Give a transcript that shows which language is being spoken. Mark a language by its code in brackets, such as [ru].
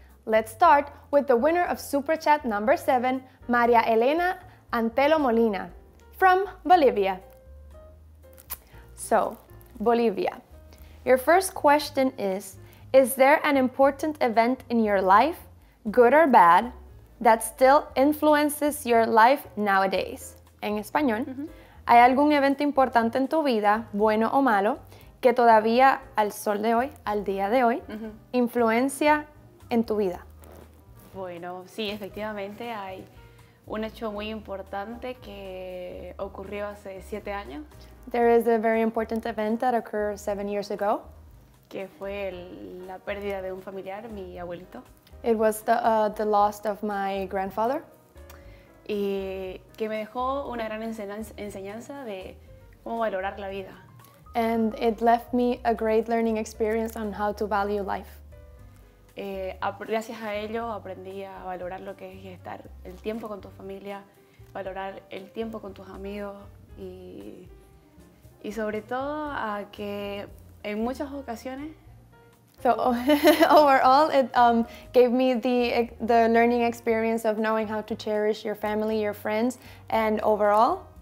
[en] Let's start with the winner of Super Chat number 7, Maria Elena Antelo Molina from Bolivia. So, Bolivia, your first question is there an important event in your life, good or bad, that still influences your life nowadays? [es] En español, ¿hay algún evento importante en tu vida, bueno o malo, que todavía al sol de hoy, al día de hoy, influencia en tu vida? Bueno, sí, efectivamente hay un hecho muy importante que ocurrió hace 7 años. [en] There is a very important event that occurred 7 years ago. [es] Que fue la pérdida de un familiar, mi abuelito. [en] It was the loss of my grandfather. [es] Y que me dejó una gran enseñanza de cómo valorar la vida. [en] And it left me a great learning experience on how to value life. [es] Gracias a ello aprendí a valorar lo que es estar el tiempo con tu familia, valorar el tiempo con tus amigos y sobre todo a que en muchas ocasiones. [en] So overall, it gave me the learning experience of knowing how to cherish your family, your friends, and overall.